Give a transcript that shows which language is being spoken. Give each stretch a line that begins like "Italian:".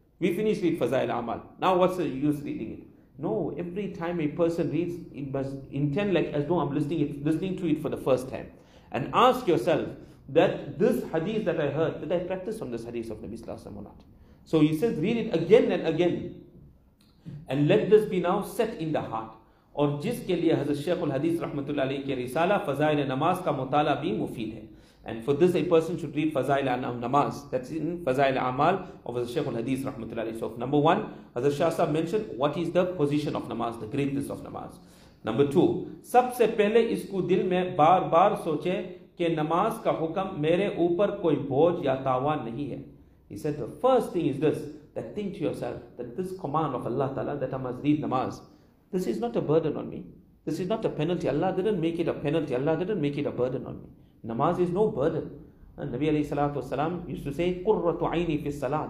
English: We finished with Fazail Amal. Now what's the use reading it? No, every time a person reads, it must intend like as though I'm listening to it for the first time. And ask yourself that this hadith that I heard, did I practice on this hadith of Nabi Sallallahu Alaihi Wasallam or not? So he says, read it again and again. And let this be now set in the heart.
Urdu: اور جس کے لئے حضرت شیخ الحدیث رحمت اللہ علیہ کے رسالہ فضائل نماز کا مطالعہ بھی مفید ہے.
English: And for this a person should read فضائل نماز, that's in فضائل عمال of حضرت شیخ الحدیث رحمت اللہ علیہ. So number one, حضرت شاہ صاحب mentioned what is the position of نماز, the greatness of نماز. Number two,
Urdu: سب سے پہلے اس کو دل میں بار بار سوچے کہ نماز کا حکم میرے اوپر کوئی بوجھ یا تاوان نہیں ہے.
English: He said the first thing is this, that think to yourself that this command of Allah Ta'ala that I must read نماز, this is not a burden on me. This is not a penalty. Allah didn't make it a penalty. Allah didn't make it a burden on me. Namaz is no burden. And Nabi alayhi salatu wasalam used to say,
Arabic: "Qurratu aini fi salah."